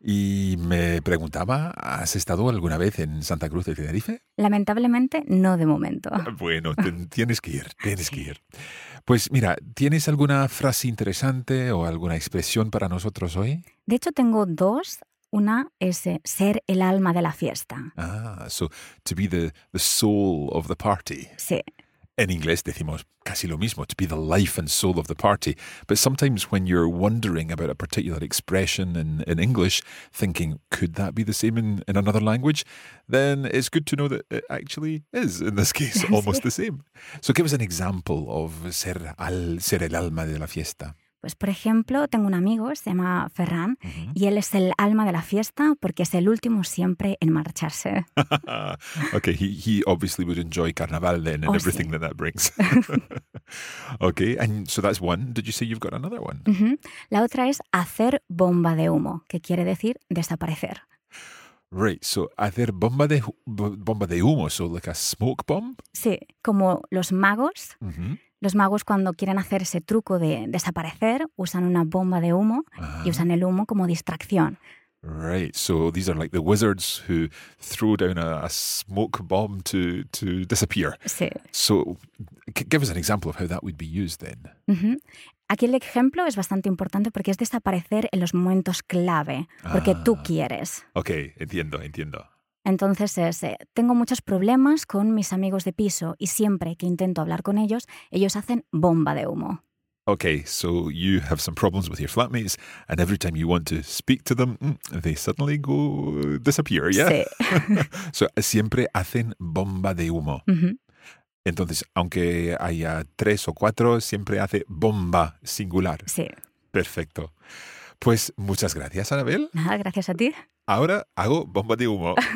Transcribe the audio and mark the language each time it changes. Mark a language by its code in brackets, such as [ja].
[es] Y me preguntaba, ¿has estado alguna vez en Santa Cruz de Tenerife? Lamentablemente, no de momento. Bueno, tienes que ir. Que ir. Pues mira, ¿tienes alguna frase interesante o alguna expresión para nosotros hoy? De hecho, tengo dos. Una es ser el alma de la fiesta. [en] Ah, so to be the soul of the party. [es] Sí. En inglés decimos casi lo mismo, [en] to be the life and soul of the party. But sometimes when you're wondering about a particular expression in English, thinking, could that be the same in another language? Then it's good to know that it actually is, in this case, almost the same. So give us an example of [es] ser el alma de la fiesta. Pues, por ejemplo, tengo un amigo, se llama Ferran, y él es el alma de la fiesta porque es el último siempre en marcharse. [en] Okay, he obviously would enjoy carnaval then and everything that brings. Okay, and so that's one. Did you say you've got another one? [es] La otra es hacer bomba de humo, que quiere decir desaparecer. [en] Right, so [es] hacer bomba de humo, [en] so like a smoke bomb? [es] Sí, como los magos. Los magos cuando quieren hacer ese truco de desaparecer usan una bomba de humo y usan el humo como distracción. [en] Right, so these are like the wizards who throw down a smoke bomb to disappear. [es] Sí. [en] So give us an example of how that would be used then. [es] Aquí el ejemplo es bastante importante porque es desaparecer en los momentos clave, porque tú quieres. Okay, entiendo. Entonces es, tengo muchos problemas con mis amigos de piso y siempre que intento hablar con ellos, ellos hacen bomba de humo. [en] Okay, so you have some problems with your flatmates and every time you want to speak to them, they suddenly go disappear, yeah? [es] Sí. So siempre hacen bomba de humo. Entonces, aunque haya tres o cuatro, siempre hace bomba singular. Sí. Perfecto. Pues muchas gracias, Anabel. Nada, gracias a ti. Ahora hago bomba de humo.